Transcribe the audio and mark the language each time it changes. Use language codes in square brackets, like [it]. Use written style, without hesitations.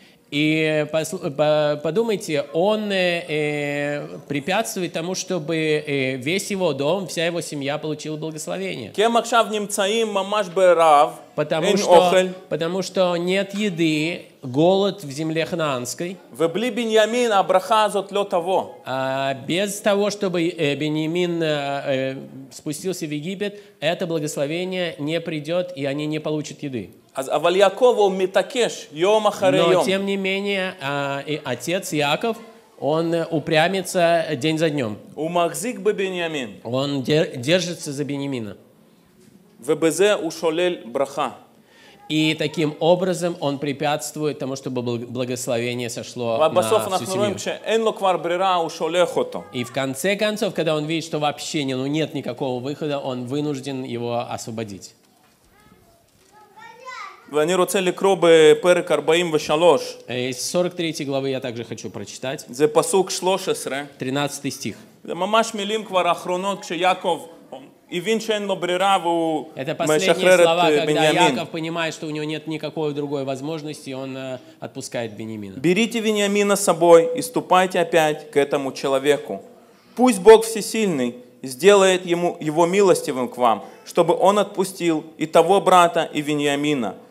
[ru] И подумайте, он препятствует тому, чтобы весь его дом, вся его семья получила благословение. [he] Кем עכשיו נמצאים ממש ברעב? [ru] Потому что нет еды, голод в земле Ханаанской. [he] ובלי בנימין הברכה הזאת לא תבוא. [ru] Без того, чтобы Бениамин спустился в Египет, это благословение не придет, и они не получат еды. [he] אבל יעקב הוא מתעקש יום אחרי יום. [ru] Но тем не менее, отец Яков, он упрямится день за днем. [he] הוא מחזיק בבנימין. [ru] Он держится за Бениамина. [he] ובזה הוא שולל ברכה. [ru] И таким образом он препятствует тому, чтобы благословение сошло на всю семью. И в конце концов, когда он видит, что вообще нет никакого выхода, он вынужден его освободить. [he] ואני רוצה לקרוא בפרק 43. [ru] Из 43 главы я также хочу прочитать. [he] זה פסוק 13. [ru] 13 стих. [he] זה ממש מילים כבר אחרונות כשיעקב הבין שאין לו ברירה והוא משחרר את בנימין. [ru] Когда Яков понимает, что у него нет никакой другой возможности, он отпускает Бениамина. Берите Вениамина с собой и ступайте опять к этому человеку. Пусть Бог всесильный сделает ему его милостивым к вам, чтобы он отпустил и того брата, и Вениамина.